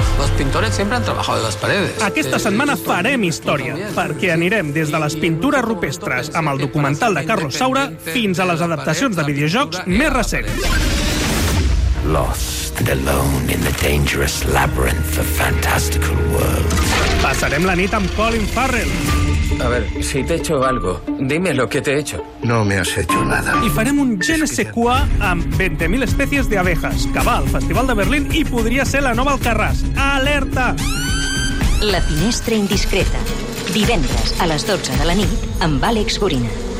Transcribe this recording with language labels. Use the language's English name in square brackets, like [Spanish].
[Spanish] Los pintores siempre han trabajado de las paredes. [Catalan] Aquesta setmana farem història, perquè anirem des de les pintures rupestres amb el documental de Carlos Saura fins a les adaptacions de videojocs més recents. [English] Lost and alone in the dangerous labyrinth of fantastical worlds. [Catalan] Passarem la nit amb Colin Farrell. [Spanish] A ver, si te he hecho algo, dime lo que te he hecho. No me has hecho nada. [Catalan] I farem un je ne sais quoi amb 20.000 espècies d'abejas, que va al Festival de Berlín i podria ser la nova Alcarràs. Alerta! La finestra indiscreta. Divendres a les 12 de la nit amb Àlex Gorina.